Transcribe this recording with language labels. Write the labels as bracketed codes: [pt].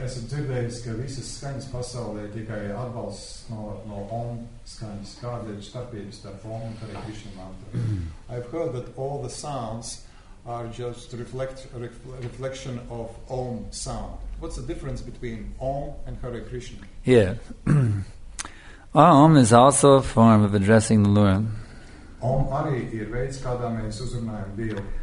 [lv] Es dzirdēju, ka visas skaņas pasaulē ir tikai atbalsts no OM skaņas. Kāda ir starpība starp OM un Hare Krishna mantra? [en] I've heard that all the sounds are just reflection of OM sound. What's the difference between OM and Hare Krishna? Yeah. OM is also a form of addressing the Lord. [lv] OM arī ir veids, kādā mēs uzrunājam Dievu.